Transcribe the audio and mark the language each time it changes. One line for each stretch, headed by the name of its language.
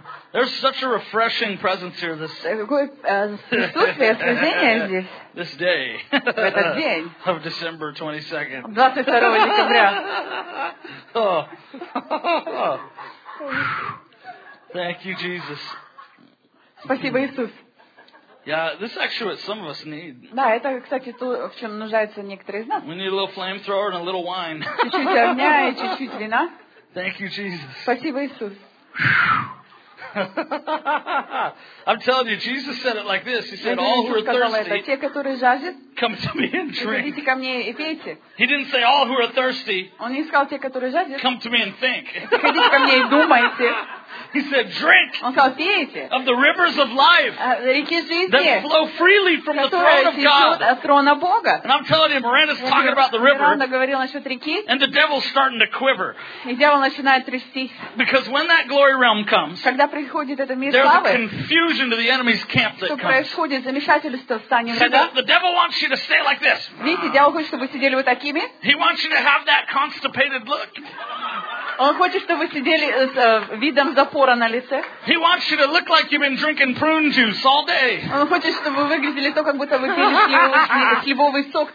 English: There's such a refreshing presence here this this day of December 22nd. Thank you, Jesus.
Russian: Спасибо, Иисус.
English: Yeah, this is actually what some of us need.
Russian: Да, это, кстати, то, в чем нуждаются некоторые из нас.
English: We need a little flamethrower and a little wine.
Russian: Чуть-чуть огня и чуть-чуть вина.
English: Thank you, Jesus.
Russian: Спасибо, Иисус.
English: I'm telling you, Jesus said it like this. He said, all who are thirsty, come to me and drink. He didn't say all who are thirsty, come to me and think. He said, drink of the rivers of life that flow freely from the throne of God. And I'm telling you, Miranda's talking about the river, and the devil's starting to quiver. Because when that glory realm comes, there's a confusion to the enemy's camp that comes. See, the devil wants you to stay like this. He wants you to have that constipated look.
Russian: Он хочет, чтобы вы сидели с видом запора на лице.
English: He wants you to look like you've been drinking prune juice all day.
Russian: Он хочет, чтобы вы выглядели то, как будто вы пили сливовый сок.